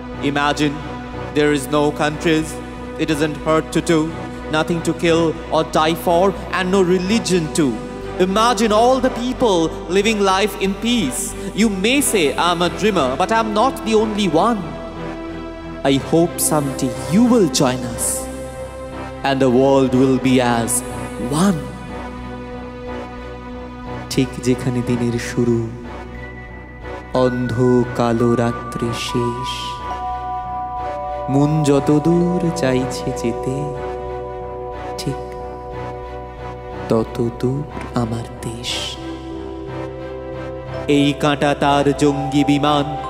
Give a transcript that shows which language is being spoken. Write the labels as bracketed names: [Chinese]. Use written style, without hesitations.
[English] Imagine there is no countries, it doesn't heart to do, nothing to kill or die for, and no religion two. Imagine all the people living life in peace, you may say I am a dreamer, but I am not the only one. I hope someday you will join us and the world will be as one. [Bangla] ঠিক যেখানে দিনের শুরু অন্ধ কালো রাত্রি শেষ মন যত দূর চাইছে যেতে ঠিক তত দূর আমার দেশ এই কাঁটা তার জঙ্গি বিমান